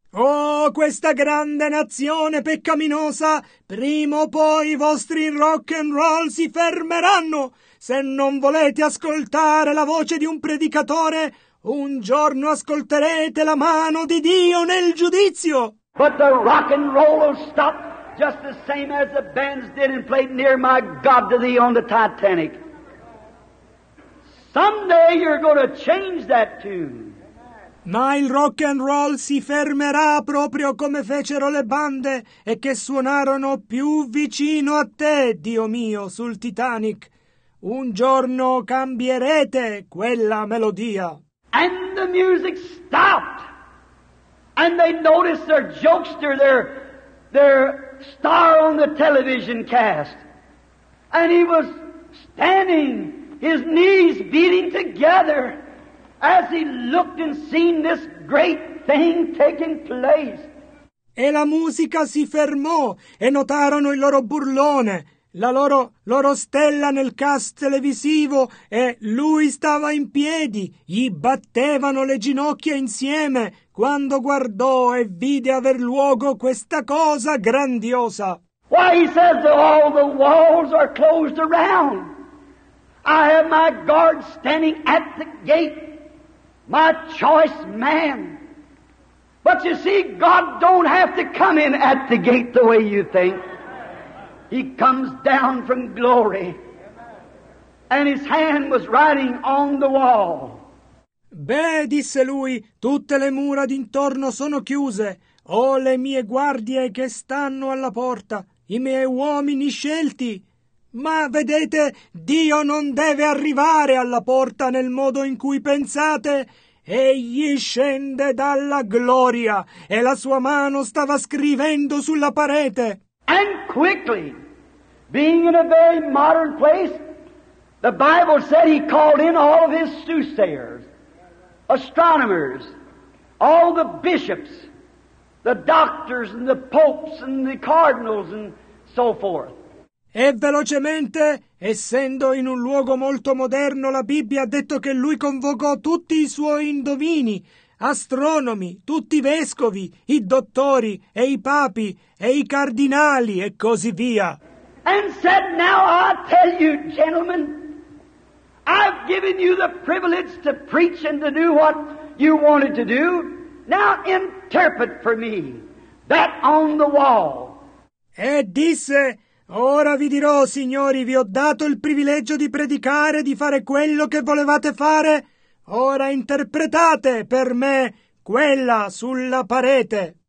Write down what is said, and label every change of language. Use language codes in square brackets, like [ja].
[it] Oh, questa grande nazione peccaminosa, prima o poi i vostri rock and roll si fermeranno. Se non volete ascoltare la voce di un predicatore, un giorno ascolterete la mano di Dio nel giudizio. [en] But the rock and roll will stop just the same as the bands did and played Near My God to Thee on the Titanic. Someday you're going to change that tune. [it] Ma il rock and roll si fermerà proprio come fecero le bande e che suonarono più vicino a te, Dio mio, sul Titanic. Un giorno cambierete quella melodia. [en] And the music stopped. And they noticed their jokester, their star on the television cast. And he was standing, his knees beating together. As he looked and seen this great thing taking place. [it] E la musica si fermò e notarono il loro burlone, la loro stella nel cast televisivo e lui stava in piedi, gli battevano le ginocchia insieme quando guardò e vide aver luogo questa cosa grandiosa. [en] Why he says that all the walls are closed around. I have my guard standing at the gate. My choice man. But you see, God don't have to come in at the gate the way you think. He comes down from glory. And his hand was writing on the wall. [it] Beh, disse lui, tutte le mura d'intorno sono chiuse. Ho le mie guardie che stanno alla porta, i miei uomini scelti. Ma vedete, Dio non deve arrivare alla porta nel modo in cui pensate. Egli scende dalla gloria e la sua mano stava scrivendo sulla parete. [en] And quickly, being in a very modern place, the Bible said he called in all of his soothsayers, astronomers, all the bishops, the doctors and the popes and the cardinals and so forth. [it] E velocemente, essendo in un luogo molto moderno, la Bibbia ha detto che lui convocò tutti i suoi indovini, astronomi, tutti i vescovi, i dottori, e i papi, e i cardinali, e così via. [en] And said, now I tell you, gentlemen, I've given you the privilege to preach and to do what you wanted to do. Now interpret for me that on the wall. [it] E disse, ora vi dirò, signori, vi ho dato il privilegio di predicare, di fare quello che volevate fare. Ora interpretate per me quella sulla parete.